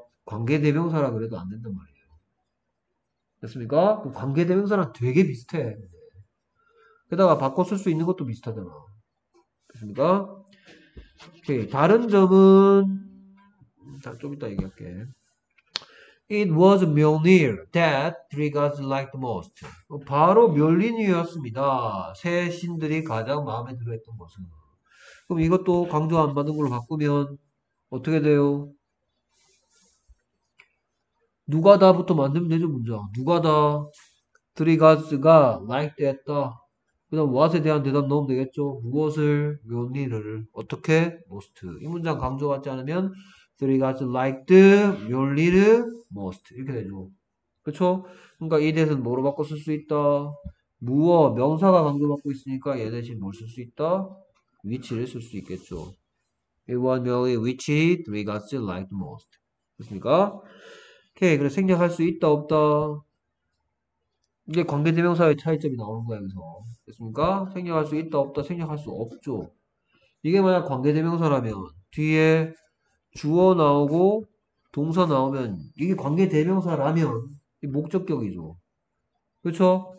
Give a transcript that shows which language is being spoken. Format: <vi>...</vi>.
<ko>관계대명사라 그래도 안 된단 말이에요. 됐습니까? 관계대명사랑 되게 비슷해. 게다가 바꿔 쓸수 있는 것도 비슷하잖아. 됐습니까? 오케이. 다른 점은 자, 좀 이따 얘기할게.</ko> <en>It was Mjolnir that three gods liked most.</en> <ko>바로 멸린이었습니다. 세 신들이 가장 마음에 들어 했던 것은. 그럼 이것도 강조 안 받은 걸로 바꾸면 어떻게 돼요? 누가 다부터 만들면 되죠, 문장. 누가 다</ko> <en>three gods</en> <ko>가 liked 했다. 그 다음, what에 대한 대답 넣으면 되겠죠. 무엇을, 묘니를, 어떻게, most. 이 문장 강조 같지 않으면,</ko> <en>three gods liked,</en> <ko>묘니를, most. 이렇게 되죠. 그쵸? 그러니까 이 대신 뭐로 바꿔 쓸수 있다? 무어, 명사가 강조받고 있으니까 얘 대신 뭘쓸수 있다? which를 쓸수 있겠죠.</ko> <en>It was merely which three gods liked most.</en> <ko>그렇습니까? 오케이. 그래서 생략할 수 있다, 없다. 이게 관계대명사의 차이점이 나오는 거야, 여기서. 됐습니까? 생략할 수 있다, 없다, 생략할 수 없죠. 이게 만약 관계대명사라면, 뒤에 주어 나오고, 동사 나오면, 이게 관계대명사라면, 이게 목적격이죠. 그렇죠?</ko>